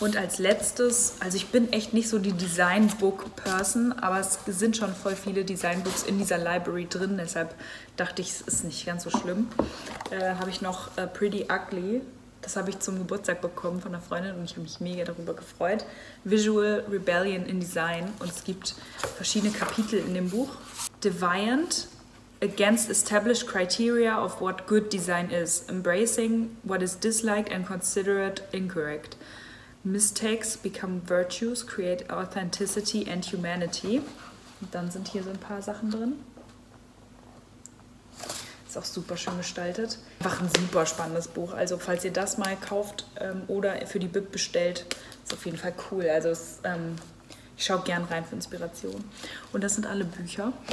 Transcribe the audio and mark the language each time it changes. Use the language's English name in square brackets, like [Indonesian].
[German] Und als letztes, also ich bin echt nicht so die Design-Book-Person, aber es sind schon voll viele Design-Books in dieser Library drin. Deshalb dachte ich, es ist nicht ganz so schlimm. Habe ich noch Pretty Ugly. Das habe ich zum Geburtstag bekommen von einer Freundin und ich habe mich mega darüber gefreut. [English] Visual Rebellion in Design. [German] Und es gibt verschiedene Kapitel in dem Buch. [English] Deviant. Against established criteria of what good design is, embracing what is disliked and considered incorrect. Mistakes become virtues, create authenticity and humanity. [German] Und dann sind hier so ein paar Sachen drin. Ist auch super schön gestaltet. Einfach ein super spannendes Buch. Also falls ihr das mal kauft oder für die Bib bestellt, ist auf jeden Fall cool. Also es, ich schaue gern rein für Inspiration. Und das sind alle Bücher.